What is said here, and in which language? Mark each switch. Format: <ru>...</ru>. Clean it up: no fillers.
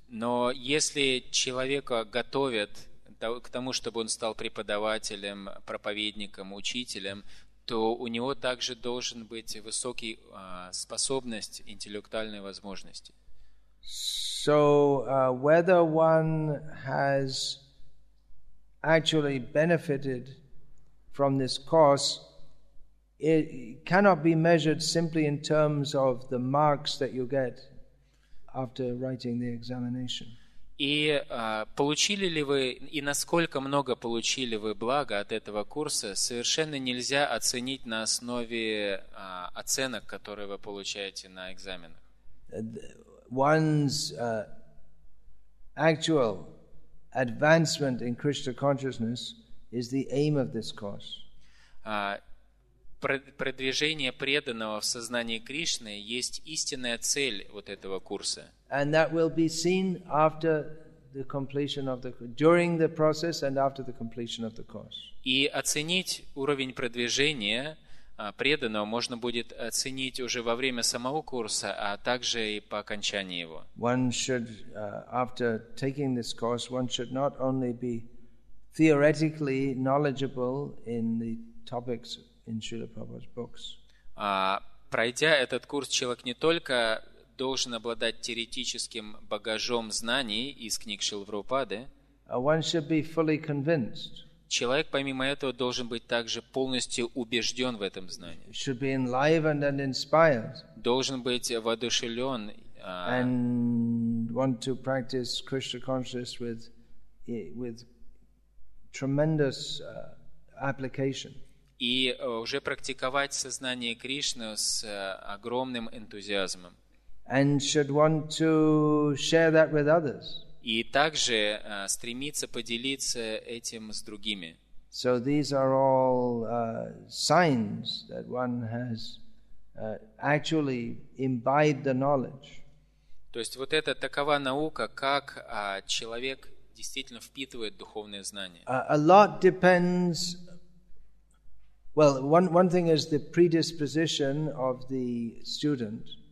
<ru>Но если человека готовят к тому, чтобы он стал преподавателем, проповедником, учителем, то у него также должен быть высокий способность интеллектуальной возможности.</ru> <en>So whether one has actually benefited from this course, it cannot be measured simply in terms of the marks that you get after writing the examination.</en> <ru>И получили ли вы и насколько много получили вы блага от этого курса, совершенно нельзя оценить на основе оценок, которые вы получаете на экзаменах.</ru> <en>One's actual advancement in Krishna consciousness is the aim of this course.</en> <ru>Продвижение преданного в сознании Кришны есть истинная цель вот этого курса.</ru> <en>And that will be seen after the completion of the during the process and after the completion of the course.</en> <ru>И оценить уровень продвижения преданного можно будет оценить уже во время самого курса, а также и по окончании его.</ru> <en>One should after taking this course, one should not only be theoretically knowledgeable in the topics in Srila Prabhupada's books.</en> <ru>Пройдя этот курс, человек не только должен обладать теоретическим багажом знаний из книг Шилпрабхупады,</ru> <en>one should be fully convinced.</en> <ru>Человек, помимо этого, должен быть также полностью убежден в этом знании.</ru> <en>Should be enlivened and inspired.</en> <ru>Должен быть воодушевлен.</ru> <en>And want to practice Krishna consciousness with tremendous application.</en> <ru>И уже практиковать сознание Кришны с огромным энтузиазмом.</ru> <en>And should want to share that with others.</en> <ru>И также стремиться поделиться этим с другими.</ru> <en>So these are all signs that one has actually imbibed the knowledge.</en> <ru>То есть вот это такова наука, как человек действительно впитывает духовные знания.</ru> <en>A lot depends. Well, one thing is the predisposition of the student.</en>